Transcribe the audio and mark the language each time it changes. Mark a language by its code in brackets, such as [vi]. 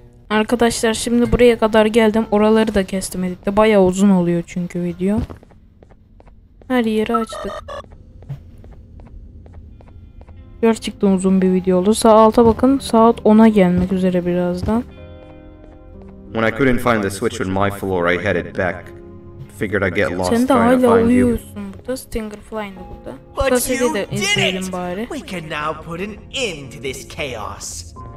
[tr] Arkadaşlar şimdi buraya kadar geldim. Oraları da kestimedik de. Bayağı uzun oluyor çünkü video. Her yeri açtık. Gerçekten uzun bir video oldu. Saata bakın. Saat 10'a gelmek üzere birazdan. [en] When I couldn't find the switch on my floor, I headed back. Figured I'd get lost. [tr] Sen de hala uyuyorsun burada. Stingerfly'ın da burada. [en] But you did it! Bari. We can now put an end to this chaos.